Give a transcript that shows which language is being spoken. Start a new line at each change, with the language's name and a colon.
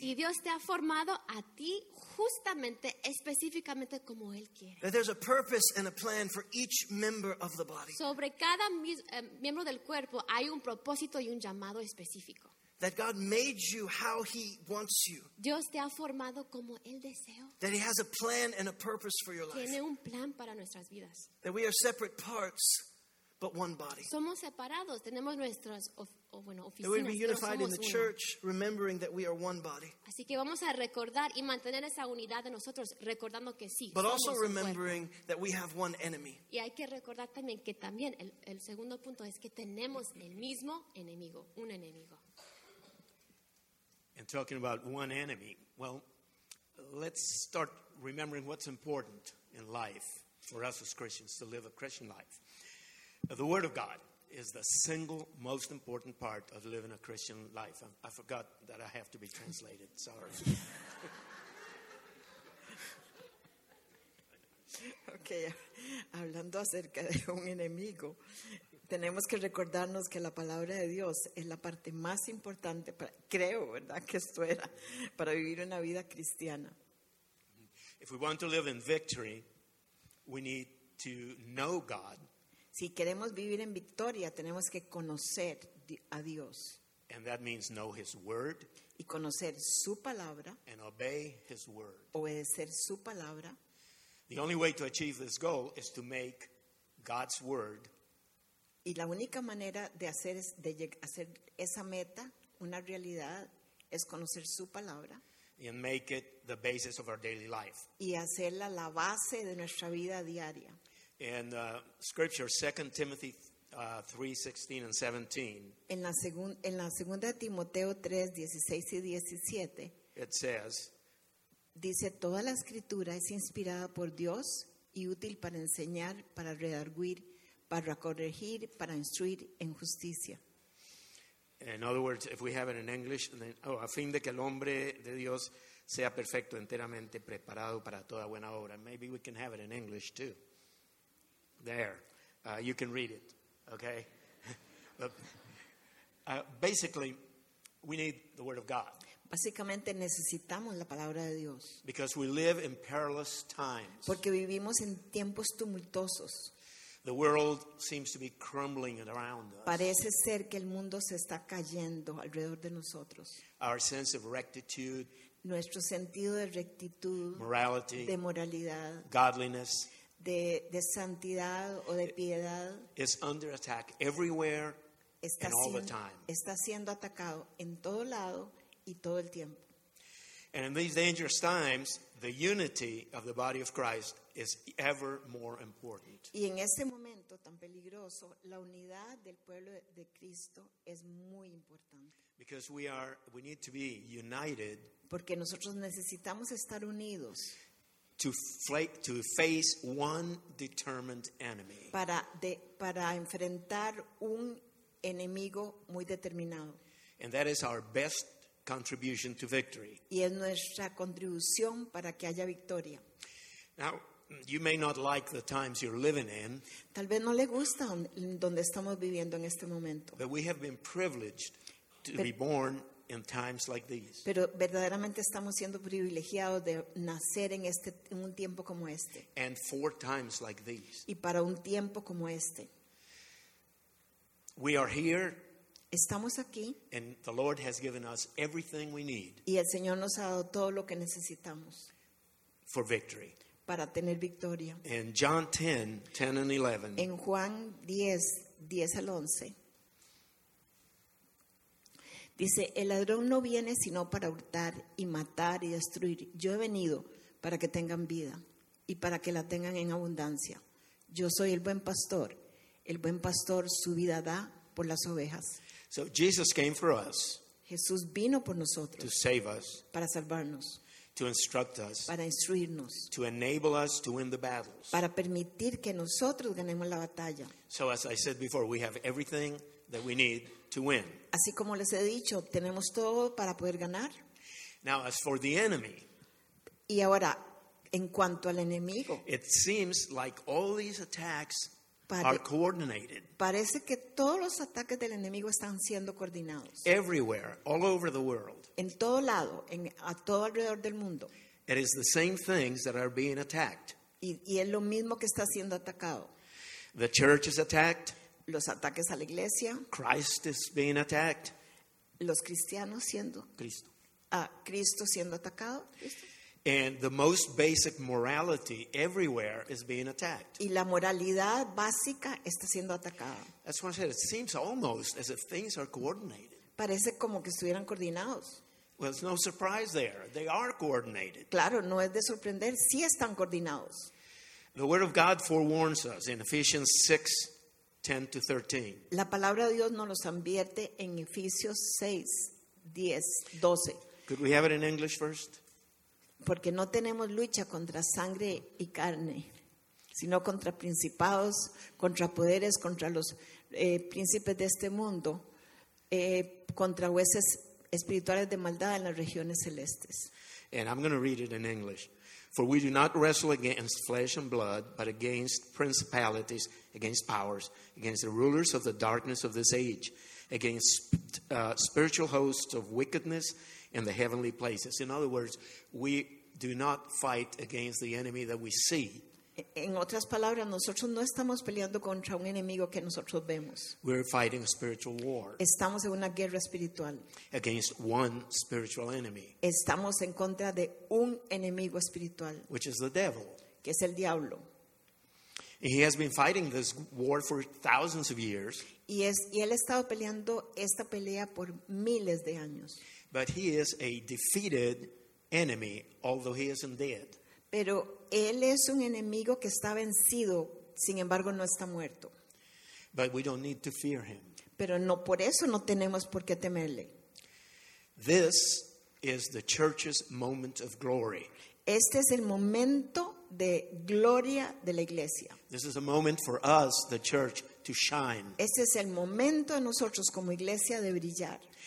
Spanish: Y Dios te ha formado a ti justamente, específicamente como Él quiere.
English: That there's a purpose and a plan for each member of the body.
Spanish: Sobre cada miembro del cuerpo hay un propósito y un llamado específico.
English: That God made you how he wants you.
Spanish: Dios te ha formado como él deseó.
English: That he has a plan and a purpose for your life.
Spanish: Tiene un plan para nuestras vidas.
English: That we are separate parts, but one body.
Spanish: Somos separados, tenemos nuestras oficinas.
English: That we be unified in the church, remembering that we are one body.
Spanish: Así que vamos a recordar y mantener esa unidad de nosotros, recordando que sí.
English: But also remembering that we have one enemy.
Spanish: Y hay que recordar también que también el segundo punto es que tenemos el mismo enemigo, un enemigo.
English: And talking about one enemy, well, let's start remembering what's important in life for us as Christians to live a Christian life. The Word of God is the single most important part of living a Christian life. I forgot that I have to be translated. Sorry.
Spanish: Okay, hablando acerca de un enemigo, tenemos que recordarnos que la palabra de Dios es la parte más importante, creo, ¿verdad?, que esto era para vivir una vida cristiana.
English: If we want to live in victory, we need to know God.
Spanish: Si queremos vivir en victoria, tenemos que conocer a Dios.
English: And that means know his word.
Spanish: Y conocer su palabra.
English: And obey his word.
Spanish: Obedecer su palabra.
English: The only way to achieve this goal is to make God's word.
Spanish: Y la única manera de hacer es de hacer esa meta una realidad es conocer su palabra.
English: And make it the basis of our daily life.
Spanish: Y hacerla la base de nuestra vida diaria.
English: In scripture 2 Timothy 3:16 and 17.
Spanish: En la segunda de Timoteo 3:16 y 17.
English: It says.
Spanish: Dice, toda la escritura es inspirada por Dios y útil para enseñar, para redarguir, para corregir, para instruir en justicia.
English: In other words, if we have it in English, then,
Spanish: a fin de que el hombre de Dios sea perfecto, enteramente preparado para toda buena obra.
English: Maybe we can have it in English too. There. You can read it. Okay? Basically, we need the Word of God.
Spanish: Básicamente necesitamos la palabra de Dios.
English: Because we live in perilous times.
Spanish: Porque vivimos en tiempos tumultuosos.
English: The world seems to be crumbling around us.
Spanish: Parece ser que el mundo se está cayendo alrededor de nosotros.
English: Our sense of rectitude.
Spanish: Nuestro sentido de rectitud.
English: Morality.
Spanish: De moralidad.
English: Godliness.
Spanish: De santidad o de piedad.
English: Is under attack everywhere and all the time.
Spanish: Está siendo atacado en todo lado. Y todo el tiempo.
English: And in these dangerous times, the unity of the body of Christ is ever more important.
Spanish: Y en este momento tan peligroso, la unidad del pueblo de Cristo es muy importante.
English: Because we need to be united.
Spanish: Porque nosotros necesitamos estar unidos.
English: To face one determined enemy.
Spanish: Para enfrentar un enemigo muy determinado.
English: And that is our best contribution to victory.
Spanish: Y es nuestra contribución para que haya victoria.
English: Now, You may not like the times you're living in.
Spanish: Tal vez no le gusta donde estamos viviendo en este momento.
English: But we have been privileged to be born in times like these.
Spanish: Pero verdaderamente estamos siendo privilegiados de nacer en este en un tiempo como este.
English: And for times like these.
Spanish: Y para un tiempo como este.
English: We are here.
Spanish: Estamos aquí.
English: And the Lord has given us everything we need.
Spanish: Y el Señor nos ha dado todo lo que necesitamos.
English: For victory.
Spanish: Para tener victoria.
English: In John 10:10 and 11.
Spanish: En Juan 10:10 al 11. Dice, el ladrón no viene sino para hurtar y matar y destruir. Yo he venido para que tengan vida y para que la tengan en abundancia. Yo soy el buen pastor. El buen pastor su vida da por las ovejas.
English: So Jesus came for us.
Spanish: Jesús vino por nosotros.
English: To save us.
Spanish: Para salvarnos.
English: To instruct us.
Spanish: Para instruirnos.
English: To enable us to win the battles.
Spanish: Para permitir que nosotros ganemos la batalla.
English: So as I said before, we have everything that we need to win.
Spanish: Así como les he dicho, tenemos todo para poder ganar.
English: Now as for the enemy.
Spanish: Y ahora, en cuanto al enemigo.
English: It seems like all these attacks are coordinated.
Spanish: Parece que todos los ataques del enemigo están siendo coordinados.
English: Everywhere, all over the world.
Spanish: En todo lado, en a todo alrededor del mundo.
English: It is the same things that are being attacked.
Spanish: Y es lo mismo que está siendo atacado.
English: The church is attacked.
Spanish: Los ataques a la iglesia.
English: Christ is being attacked.
Spanish: Los cristianos siendo. Cristo. Cristo siendo atacado. ¿Listo?
English: And the most basic morality everywhere is being attacked.
Spanish: Y la moralidad básica está siendo atacada.
English: That's what I said. It seems almost as if things are coordinated.
Spanish: Parece como que estuvieran coordinados.
English: Well, it's no surprise there. They are coordinated.
Spanish: Claro, no es de sorprender. Sí están coordinados.
English: The Word of God forewarns us in Ephesians 6:10-13.
Spanish: La palabra de Dios nos los advierte en Efesios 6:10-12.
English: Could we have it in English first?
Spanish: Porque no tenemos lucha contra sangre y carne, sino contra principados, contra poderes, contra los príncipes de este mundo, contra huestes espirituales de maldad en las regiones celestes.
English: And I'm going to read it in English. For we do not wrestle against flesh and blood, but against principalities, against powers, against the rulers of the darkness of this age, against spiritual hosts of wickedness in the heavenly places. In other words, we do not fight against the enemy that we see.
Spanish: En otras palabras, nosotros no estamos peleando contra un enemigo que nosotros vemos.
English: We're fighting a spiritual war.
Spanish: Estamos en una guerra espiritual.
English: Against one spiritual enemy.
Spanish: Estamos en contra de un enemigo espiritual.
English: Which is the devil.
Spanish: Que es el diablo.
English: He has been fighting this war for thousands of years.
Spanish: Y él ha estado peleando esta pelea por miles de años.
English: But he is a defeated enemy, although he isn't dead.
Spanish: Pero él es un enemigo que está vencido, sin embargo no está muerto.
English: But we don't need to fear him.
Spanish: Pero no por eso no tenemos por qué temerle.
English: This is the church's moment of glory.
Spanish: Este es el momento de gloria de la iglesia.
English: This is a moment for us, the church, to shine.
Spanish: Este es el momento de nosotros como iglesia de brillar.